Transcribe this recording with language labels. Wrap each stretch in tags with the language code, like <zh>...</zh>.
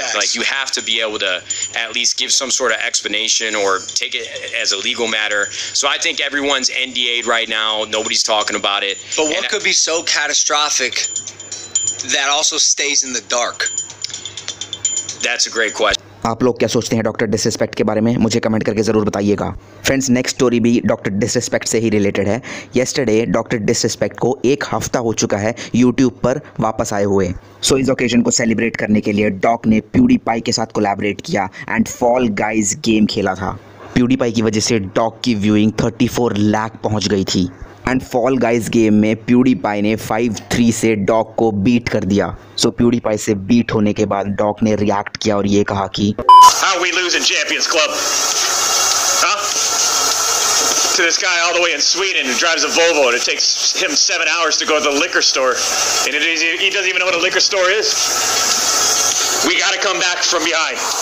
<en>Facts. Like, you have to be able to at least give some sort of explanation or take it as a legal matter. So I think everyone's NDA'd right now. Nobody's talking about it. But what could be so catastrophic that also stays in the dark? That's a great question.</en> <hi>आप लोग क्या सोचते हैं doctor disrespect के बारे में, मुझे comment करके ज़रूर बताइएगा। फ्रेंड्स नेक्स्ट स्टोरी भी डॉक्टर डिसरिस्पेक्ट से ही रिलेटेड है। येस्टरडे डॉक्टर डिसरिस्पेक्ट को एक हफ्ता हो चुका है यूट्यूब पर वापस आए हुए। सो इस ओकेजन को सेलिब्रेट करने के लिए डॉक ने प्यूडीपाई के साथ कोलैबोरेट किया एंड फॉल गाइज गेम खेला था। प्यूडीपाई की वजह से डॉक की व्यूइंग 34 लाख पहुँच गई थी एंड फॉल गाइज गेम में प्यूडीपाई ने 5-3 से डॉक को बीट कर दिया। सो प्यूडीपाई से बीट होने के बाद डॉक ने रिएक्ट किया और ये कहा कि</hi> <en>How we lose in Champions Club? Huh? To this guy all the way in Sweden who drives a Volvo and it takes him 7 hours to go to the liquor store and he doesn't even know what a liquor store is. We gotta come back from behind.</en>